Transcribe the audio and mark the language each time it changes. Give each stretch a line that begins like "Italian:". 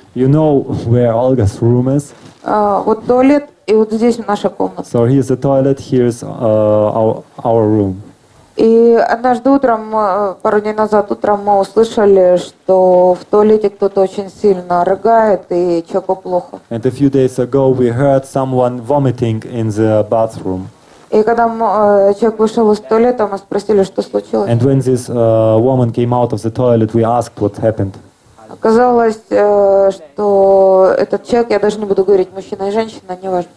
English: You know where Olga's room is?
Russian: Вот туалет, и вот здесь наша комната.
English: So here's the toilet, here's our room.
Russian: И однажды утром, пару дней назад утром, мы услышали, что в туалете кто-то очень сильно рыгает и человеку плохо.
English: And a few days ago we heard someone vomiting in the bathroom.
Russian: И когда человек вышел из туалета, мы спросили, что случилось.
English: And when this woman came out of the toilet, we asked what happened.
Russian: Оказалось, что этот человек, я даже не буду говорить, мужчина и женщина, неважно.